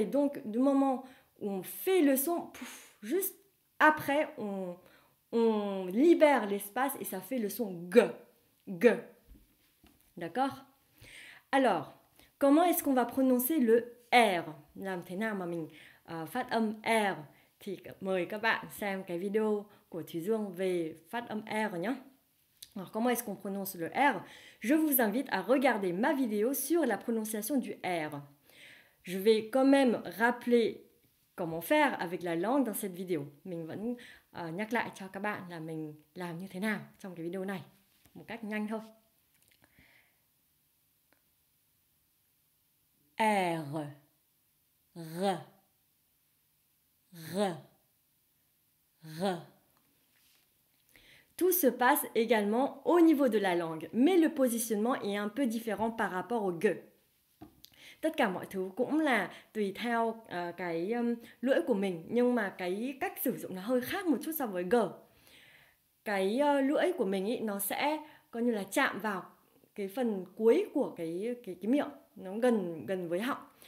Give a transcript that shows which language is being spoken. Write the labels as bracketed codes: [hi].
[fr] Et donc du moment où on fait le son, pouf, juste après on libère l'espace et ça fait le son g, g. D'accord? Alors, comment est-ce qu'on va prononcer le r? [vi] Làm thế nào mà mình phát âm r? Thì mời các bạn xem cái video của Thùy Dương về phát âm R nhé. [fr] Alors, comment est-ce qu'on prononce le R? Je vous invite à regarder ma vidéo sur la prononciation du R. Je vais quand même rappeler comment faire avec la langue dans cette vidéo. [vi] Mình vẫn nhắc lại cho các bạn là mình làm như thế nào trong cái video này. Một cách nhanh thôi. R. R. R. R. [fr] Tout se passe également au niveau de la langue, mais le positionnement est un peu différent par rapport au g. [vi] Tất cả mọi thứ cũng là tùy theo cái lưỡi của mình, nhưng mà cái cách sử dụng nó hơi khác một chút so với g. Cái lưỡi của mình ý, nó sẽ coi như là chạm vào cái phần cuối của cái miệng, nó gần với họng.